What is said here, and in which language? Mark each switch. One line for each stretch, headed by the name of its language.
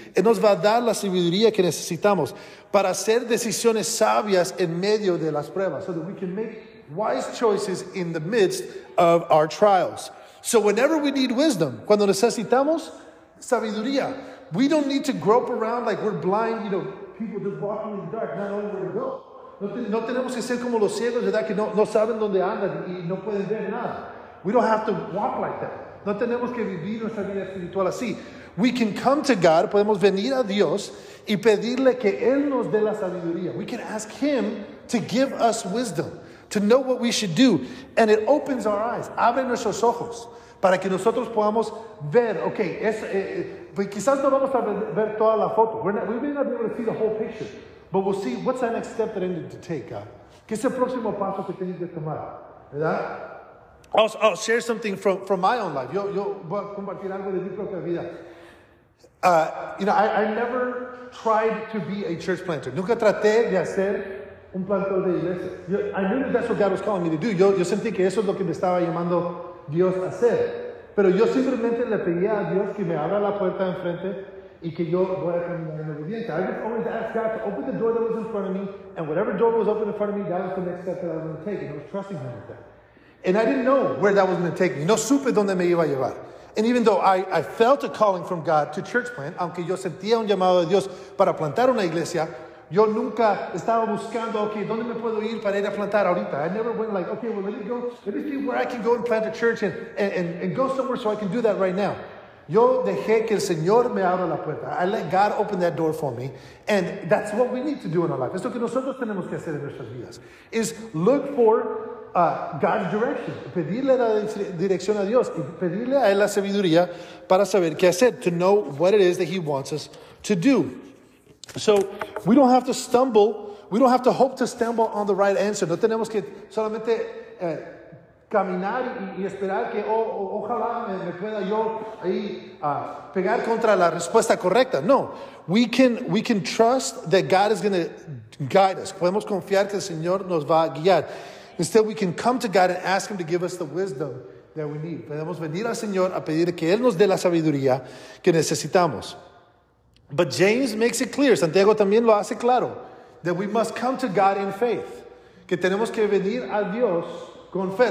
Spanish: Él nos va a dar la sabiduría que necesitamos para hacer decisiones sabias en medio de las pruebas,
English: so that we can make wise choices in the midst of our trials. So whenever we need wisdom,
Spanish: cuando necesitamos sabiduría,
English: we don't need to grope around like we're blind, you know, people just walking in the dark, not knowing where to go.
Spanish: No tenemos que ser como los ciegos, ¿verdad? Que no saben dónde andan y no pueden ver nada.
English: We don't have to walk like that.
Spanish: No tenemos que vivir nuestra vida espiritual así.
English: We can come to God,
Spanish: podemos venir a Dios y pedirle que Él nos dé la sabiduría. We can ask Him to give us wisdom, to know what we should do.
English: And it opens our eyes,
Spanish: abre nuestros ojos, para que nosotros podamos ver, okay, pues quizás no vamos a ver toda la foto.
English: We may not be able to see the whole picture. But we'll see, what's the next step that I need to take, God?
Spanish: ¿Qué es el próximo paso que tengo que tomar? ¿Verdad?
English: I'll share something from my own life.
Spanish: Yo voy a compartir algo de mi propia vida.
English: You know, I never tried to be a church planter.
Spanish: Nunca traté de hacer un plantador de iglesia.
English: I knew that that's what God was calling me to do.
Spanish: Yo sentí que eso es lo que me estaba llamando Dios a hacer. Pero yo simplemente le pedía a Dios que me abra la puerta enfrente y que yo voy a caminar en obediencia.
English: I just always asked God to open the door that was in front of me, and whatever door was open in front of me, that was the next step that I was going to take, and I was trusting Him with that. And I didn't know where that was going to take me.
Spanish: No supe dónde me iba a llevar.
English: And even though I felt a calling from God to church plant,
Spanish: aunque yo sentía un llamado de Dios para plantar una iglesia, yo nunca estaba buscando, okay, ¿dónde me puedo ir para ir a plantar ahorita?
English: I never went like, okay, well, let me see where I can go and plant a church and go somewhere so I can do that right now.
Spanish: Yo dejé que el Señor me abra la puerta.
English: I let God open that door for me. And that's what we need to do in our life.
Spanish: Esto que nosotros tenemos que hacer en nuestras vidas
English: is look for God's direction.
Spanish: Pedirle la dirección a Dios y pedirle a Él la sabiduría para saber qué hacer,
English: to know what it is that He wants us to do. So we don't have to stumble. We don't have to hope to stumble on the right answer.
Spanish: No tenemos que solamente caminar y esperar que ojalá me pueda yo ahí pegar contra la respuesta correcta.
English: No, we can trust that God is going to guide us.
Spanish: Podemos confiar que el Señor nos va a guiar.
English: Instead, we can come to God and ask Him to give us the wisdom that we need.
Spanish: Podemos venir al Señor a pedir que Él nos dé la sabiduría que necesitamos.
English: But James makes it clear,
Spanish: Santiago también lo hace claro,
English: that we must come to God in faith.
Spanish: Que tenemos que venir a Dios con fe.